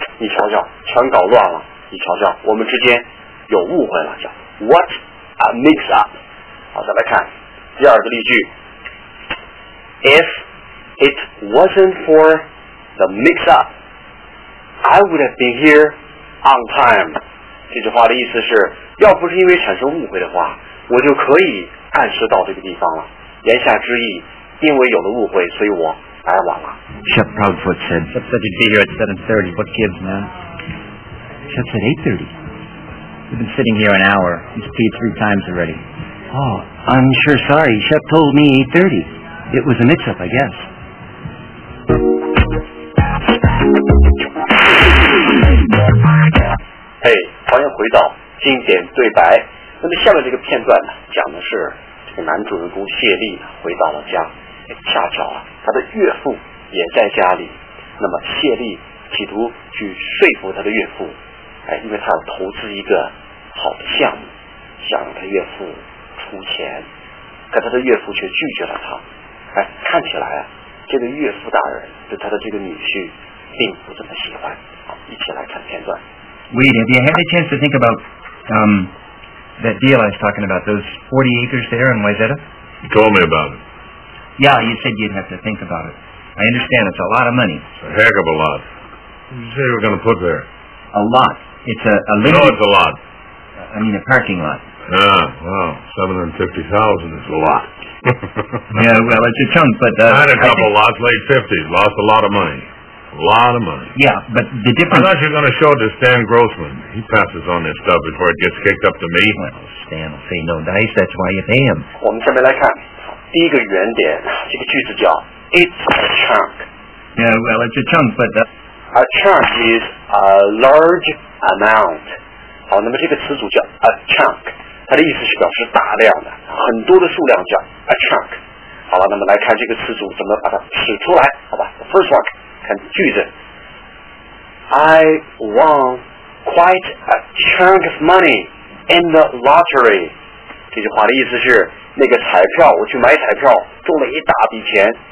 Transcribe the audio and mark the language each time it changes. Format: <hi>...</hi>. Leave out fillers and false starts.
<zh>你瞧瞧，全搞乱了。你瞧瞧，我们之间有误会了，叫</zh> <en>What a mix up。</en> <zh>好，再来看第二个例句。</zh> <en>If it wasn't for the mix up, I would have been here on time。</en> <zh>这句话的意思是，要不是因为产生误会的话，我就可以按时到这个地方了。言下之意，因为有了误会，所以我来晚了。</zh> <en>Chef Proudfoot said, "What's such a day here at 7:30? What gives, man?" Chef said, "8:30. We've been sitting here an hour. He's peed 3 times already." Oh, I'm sure sorry. Chef told me 8:30. It was a mix-up, I guess.</en> <zh>Hey, 欢迎回到经典对白。那么下面这个片段呢，讲的是。男主人公谢利回到了家，恰巧啊，他的岳父也在家里。那么谢利企图去说服他的岳父，哎，因为他要投资一个好的项目，想让他岳父出钱，可他的岳父却拒绝了他。哎，看起来啊，这个岳父大人对他的这个女婿并不怎么喜欢。好，一起来看片段。</zh> <en>Wait, have you had a chance to think about that deal I was talking about, those 40 acres there in Wayzata? You told me about it. Yeah, you said you'd have to think about it. I understand, it's a lot of money. It's a heck of a lot. What did you say you were going to put there? A lot. It's a limited... No, it's a lot. I mean, a parking lot. Ah, well, 750,000 is a lot. Yeah, well, it's a chunk, but... I had a couple lots, late 50s, lost a lot of money. A lot of money. Yeah, but the difference... I thought you were going to show it to Stan Grossman. He passes on this stuff before it gets kicked up to me. Well, Stan will say no dice, that's why you pay him.</en> <zh>我们下面来看第一个原点,这个句子叫</zh> <en>It's a chunk. Yeah, well, it's a chunk, but... A chunk is a large amount.</en> <zh>好,那么这个词组叫 a chunk. 它的意思是表示大量的,很多的数量叫 a chunk. 好了,那么来看这个词组怎么把它使出来,好吧?</zh> <en>The first one,</en> <zh>看句子,</zh> <en>I won quite a chunk of money in the lottery.</en> <zh>这句话的意思是, 那个彩票,我去买彩票,中了一大笔钱。</zh>